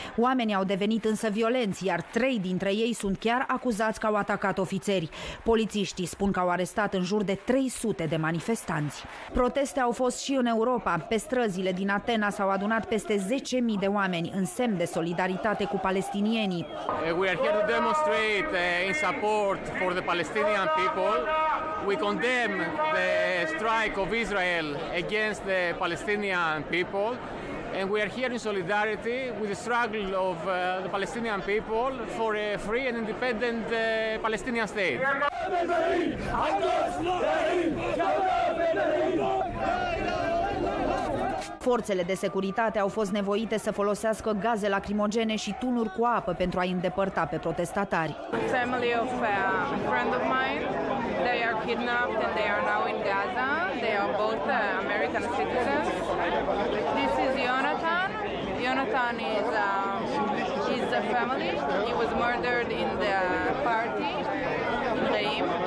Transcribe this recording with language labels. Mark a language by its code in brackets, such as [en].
[ro] Oamenii au devenit însă violenți, iar trei dintre ei sunt chiar acuzați că au atacat ofițeri. Polițiștii spun că au arestat în jur de 300 de manifestanți. Proteste au fost și în Europa. Pe străzile din Atena s-au adunat peste 10.000 de oameni în semn de solidaritate cu palestinienii. [en] We are here to demonstrate in support for the Palestinian people. We condemn the strike of Israel against the Palestinian people. And we are here in solidarity with the struggle of the Palestinian people for a free and independent Palestinian state. [ro] Forțele de securitate au fost nevoite să folosească gaze lacrimogene și tunuri cu apă pentru a îndepărta pe protestatari. [en] Family of a friend of mine, they are kidnapped and they are now in Gaza. They are both American citizens. This is Jonathan. Jonathan is he's a family. He was murdered in the party in Reim.